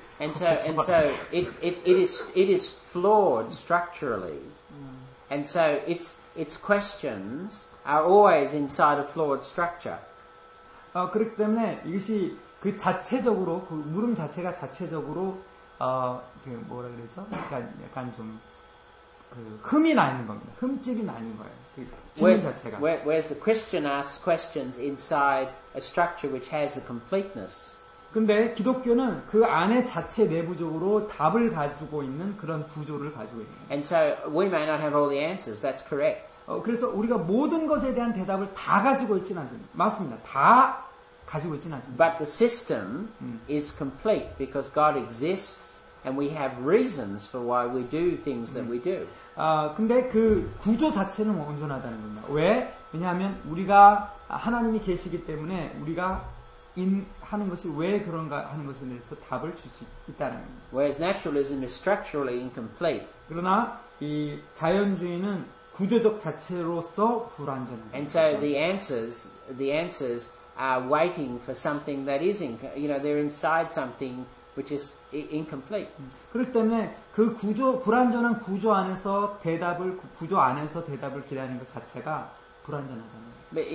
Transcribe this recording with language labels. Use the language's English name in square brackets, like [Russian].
[English] And so it is flawed structurally. And so its questions are always inside a flawed structure. [Korean] 그렇기 때문에 이것이 그 자체적으로 그 물음 자체가 자체적으로 그 뭐라 그러죠? 약간 좀 그 흠이 나 있는 겁니다. 흠집이 나 있는 거예요. 그 질문 자체가. [English] Whereas the question asks questions inside a structure which has a completeness. [Korean] 근데 기독교는 그 안에 자체 내부적으로 답을 가지고 있는 그런 구조를 가지고 있는. [English] And so we may not have all the answers. That's correct. [Korean] 그래서 우리가 모든 것에 대한 대답을 다 가지고 있지는 않습니다. 맞습니다. 다 가지고 있지는 않습니다. [English] But the system is complete because God exists and we have reasons for why we do things that we do. [Korean] 근데 그 구조 자체는 온전하다는 겁니다. 왜? 왜냐하면 우리가 하나님이 계시기 때문에 우리가 하는 것이 왜 그런가 하는 것에 대해서 답을 줄 수 있다는 겁니다. [English] Whereas naturalism is structurally incomplete. [Korean] 그러나 이 자연주의는 구조적 자체로서 불완전합니다. [English] And so the answers are waiting for something that is they're inside something which is incomplete. [Korean] 그렇기 때문에 그 구조 불완전한 구조 안에서 대답을 구조 안에서 대답을 기다리는 것 자체가 불완전하다는 거죠.